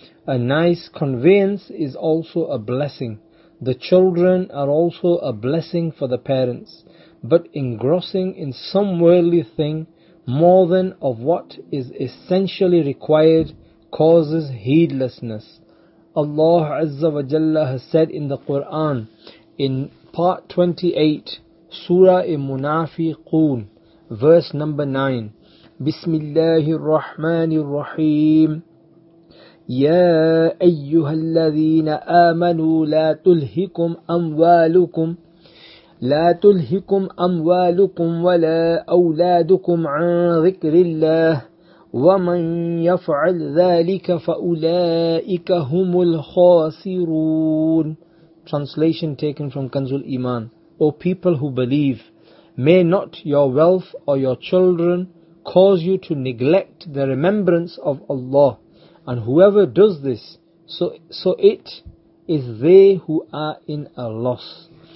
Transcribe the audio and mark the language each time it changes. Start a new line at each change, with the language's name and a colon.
English: A nice conveyance is also a blessing. The children are also a blessing for the parents. But engrossing in some worldly thing more than of what is essentially required causes heedlessness. Allah Azza wa Jalla has said in the Quran, in part 28, Surah Al-Munafiqun, verse number 9,
Arabic: بسم الله الرحمن الرحيم يا أيها الذين آمنوا لا تلهكم أموالكم ولا أولادكم عن ذكر الله ومن يفعل ذلك فأولئك هم الخاسرون.
English: Translation taken from Kanz al-Iman. O people who believe, may not your wealth or your children cause you to neglect the remembrance of Allah, and whoever does this, so it is they who are in a loss.